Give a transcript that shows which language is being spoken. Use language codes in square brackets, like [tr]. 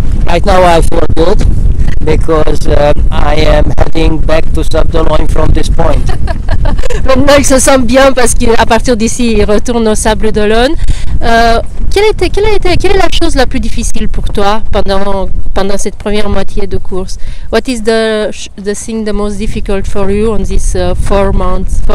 [en] Right now I feel good, because I am heading back to Sable-d'Olonne from this point. [fr] Maintenant il se sent bien parce qu'à partir d'ici il retourne au Sable-d'Olonne. Quelle est la chose la plus difficile pour toi pendant cette première moitié de course? [en] What is the thing the most difficult for you on this first month?